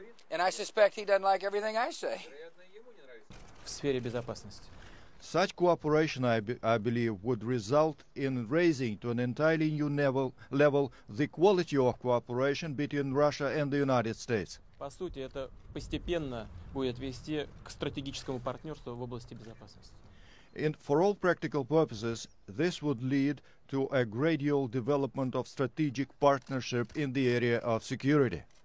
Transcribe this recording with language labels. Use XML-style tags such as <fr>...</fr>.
<en>And I suspect he doesn't like everything I say. Such cooperation, I believe, would result in raising to an entirely new level the quality of cooperation between Russia and the United States.</en> <ru>По сути, это постепенно будет вести к стратегическому партнерству в области безопасности.</ru> <en>And for all practical purposes, this would lead to a gradual development of strategic partnership in the area of security.</en>